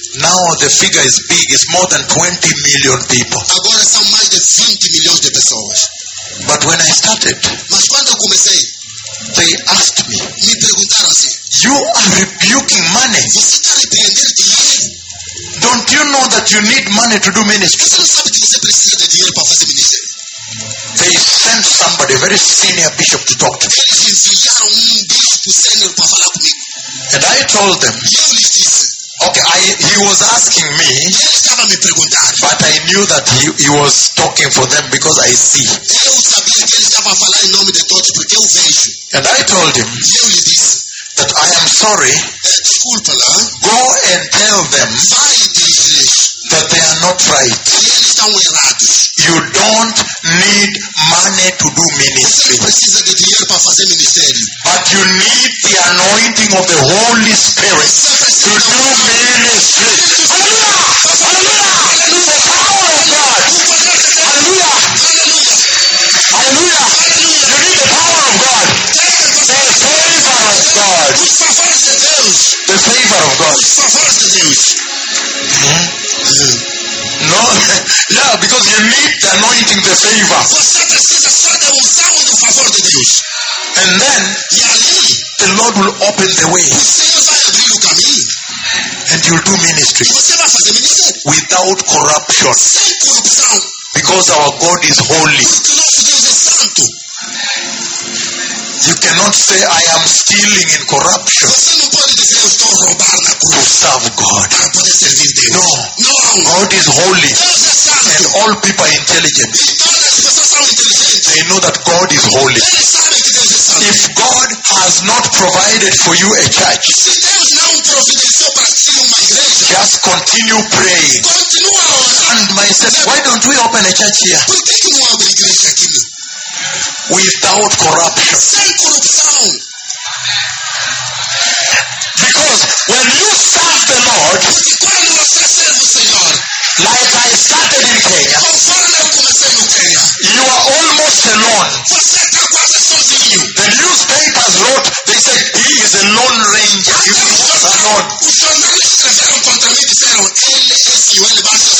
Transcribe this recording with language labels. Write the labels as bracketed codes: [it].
[en] now the figure is big. It's more than 20 million people. [pt] Agora são mais de 20 milhões de pessoas. [en] But when I started, [pt] mas quando eu comecei, [en] they asked me, [pt] me perguntaram assim, [en] you are rebuking money. [pt] Você está repreendendo dinheiro? [en] Don't you know that you need money to do ministry? [pt] Você não sabe que você precisa de dinheiro para fazer ministério? [en] They sent somebody, a very senior bishop, to talk to me. [pt] Eles enviaram bispo sênior para falar comigo. [en] And I told them, [pt] eu lhes disse, [en] okay, he was asking me, [pt] ele estava me perguntar, [en] but I knew that he was talking for them because I see. [pt] Eu sabia que ele estava a falar em nome de todos porque eu vejo. [en] And I told him, [pt] eu lhe disse, [en] that I am sorry. [pt] Desculpa-lá. [en] Go and tell them, [pt] vai dizer, [en] that they are not right. [pt] Eles estão errados. [en] You don't need money to do ministry. [pt] Você precisa de dinheiro para fazer ministério. [en] But you need the anointing of the Holy Spirit to do ministry. Hallelujah! Hallelujah! Hallelujah! Hallelujah! Hallelujah! Hallelujah! You need the power of God. The favor of God. [pt] Os favores de Deus. [en] No, yeah, because you need the anointing, the favor. [pt] Você precisa só da unção do favor de Deus. [en] And then, [pt] e ali, [en] the Lord will open the way. [pt] O Senhor vai abrir o caminho. [en] And you'll do ministry. [pt] Você vai fazer ministério. [en] Without corruption. [pt] Sem corrupção. [en] Because our God is holy. [pt] Porque nosso Deus é santo. [en] You cannot say I am stealing in corruption. [pt] Você não pode dizer eu estou a roubar na cruz. [en] To serve God. [pt] Para poder servir Deus. [en] No. [pt] No. [en] God is holy. [pt] Deus é santo. [en] And all people are intelligent. [pt] E todas as pessoas são inteligentes. [en] They know that God is holy. [pt] Eles sabem que Deus é santo. [en] If God has not provided for you a church, [pt] se Deus não providenciou para ti uma igreja, [en] just continue praying. [pt] Continua a orar. [en] And myself, why don't we open a church here? [pt] Por que não abre igreja aqui? [en] Without corruption. [pt] Sem corrupção. [en] Because when you serve the Lord, [pt] porque quando você serve o Senhor, [en] like I started in Kenya, [pt] conforme eu comecei no Kenya, [en] you are almost alone. [pt] Você está quase sozinho. [en] The newspapers wrote, they said, he is a lone ranger. He was alone. [pt] Os jornais escreveram contra mim e disseram, ele é sozinho, ele basta